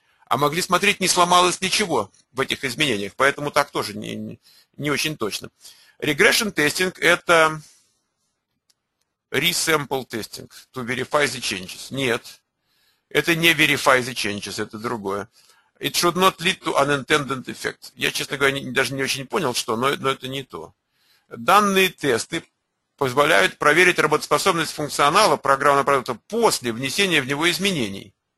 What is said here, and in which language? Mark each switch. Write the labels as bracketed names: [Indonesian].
[Russian] А могли смотреть, не сломалось ничего в этих изменениях. Поэтому так тоже не очень точно. [English] Regression testing – [Russian] это [English] resample testing to verify the changes. [Russian] Нет, это не [English] verify the changes, [Russian] это другое. [English] It should not lead to unintended effect. [Russian] Я, честно говоря, даже не очень понял, что, но это не то. Данные тесты позволяют проверить работоспособность функционала программного продукта после внесения в него изменений.